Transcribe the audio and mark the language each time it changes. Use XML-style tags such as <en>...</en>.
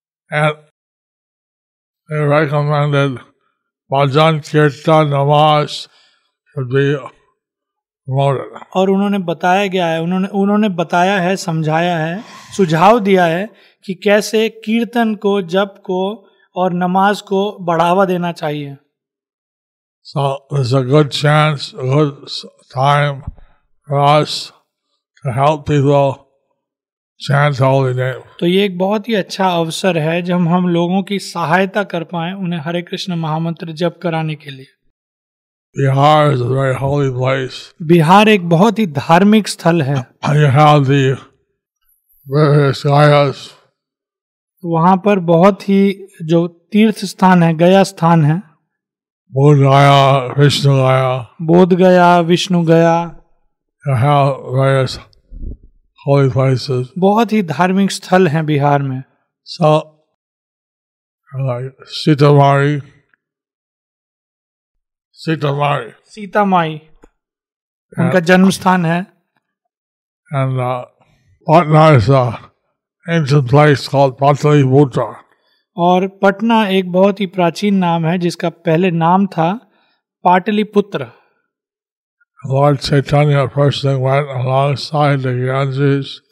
<en>And they recommended</en> <hi>भजन कीर्तन नमाज</hi> <en>should be promoted.</en> <hi>और उन्होंने बताया गया है, उन्होंने बताया है, समझाया है, सुझाव दिया है कि कैसे कीर्तन को, जप को और नमाज को बढ़ावा देना चाहिए.</hi> <en>So there's a good chance, a good time for us to help people chant holy name.</en> <hi>तो ये एक बहुत ही अच्छा अवसर है जब हम लोगों की सहायता कर पाएं उन्हें हरे कृष्ण महामंत्र जप कराने के लिए.</hi> <en>Bihar is a very holy place.</en> <hi>Bihar एक बहुत ही धार्मिक स्थल है.</hi> <en>You have the various gayas.</en> <hi>वहाँ पर बहुत ही जो तीर्थ स्थान है, गया स्थान है. बोध गया, कृष्ण गया. बोध गया, विष्णु गया.</hi> <en>You have various holy places.</en> <hi>बहुत ही धार्मिक स्थल हैं बिहार में.</hi> <en>So, like Sitamarhi.</en> <hi>सीतामढ़ी. सीतामाई. उनका जन्म स्थान है.</hi> <en>And Patna is a ancient place called Pataliputra.</en> <hi>और पटना एक बहुत ही प्राचीन नाम है जिसका पहले नाम था Pataliputra.</hi> <en>Lord Chaitanya first thing went alongside the Ganges.</en>